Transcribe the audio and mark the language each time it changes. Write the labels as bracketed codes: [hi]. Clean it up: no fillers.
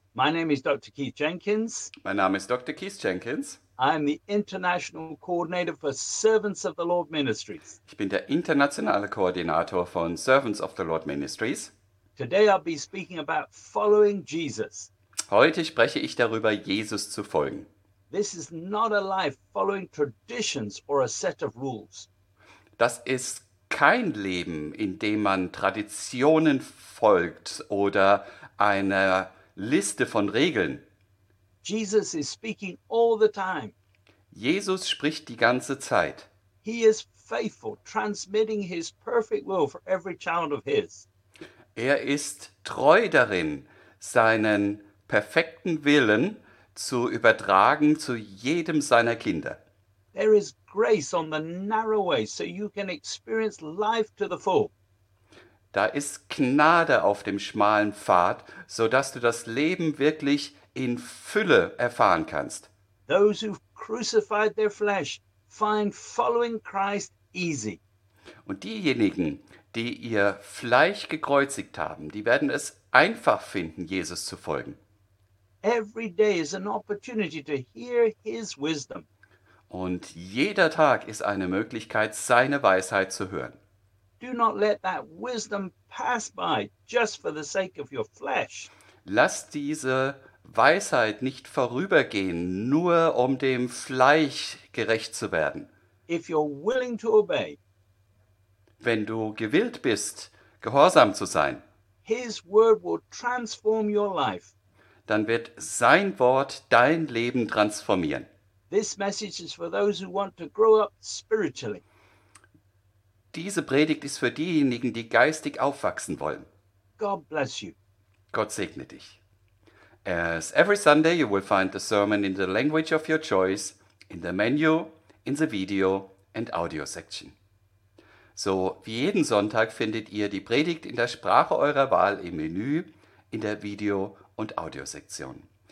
[en] My name is Dr. Keith Jenkins. [de] Mein Name ist Dr. Keith Jenkins. [en] I'm the International Coordinator for Servants of the Lord Ministries. [de] Ich bin der internationale Koordinator von Servants of the Lord Ministries. [en] Today I'll be speaking about following Jesus. [de] Heute spreche ich darüber, Jesus zu folgen. [en] This is not a life following traditions or a set of rules. [de] Das ist kein Leben, in dem man Traditionen folgt oder einer Liste von Regeln. [en] Jesus is speaking all the time. [de] Jesus spricht die ganze Zeit. [en] He is faithful, transmitting his perfect will for every child of his. [de] Er ist treu darin, seinen perfekten Willen zu übertragen zu jedem seiner Kinder. [en] There is grace on the narrow way, so you can experience life to the full. [de] Da ist Gnade auf dem schmalen Pfad, so dass du das Leben wirklich in Fülle erfahren kannst. [en] Those who've crucified their flesh find following Christ easy. [de] Und diejenigen, die ihr Fleisch gekreuzigt haben, die werden es einfach finden, Jesus zu folgen. [en] Every day is an opportunity to hear his wisdom. [de] Und jeder Tag ist eine Möglichkeit, seine Weisheit zu hören. [en] Do not let that wisdom pass by just for the sake of your flesh. [de] Lass diese Weisheit nicht vorübergehen, nur um dem Fleisch gerecht zu werden. [en] If you're willing to obey, [de] wenn du gewillt bist, gehorsam zu sein, [en] his word will transform your life. [de] Dann wird sein Wort dein Leben transformieren. [en] This message is for those who want to grow up spiritually. [de] Diese Predigt ist für diejenigen, die geistig aufwachsen wollen. [en] God bless you. [de] Gott segne dich. [en] As every Sunday, you will find the sermon in the language of your choice, in the menu, in the video and audio section. [de] So wie jeden Sonntag findet ihr die Predigt in der Sprache eurer Wahl im Menü, in der Video- und Audio-Sektion.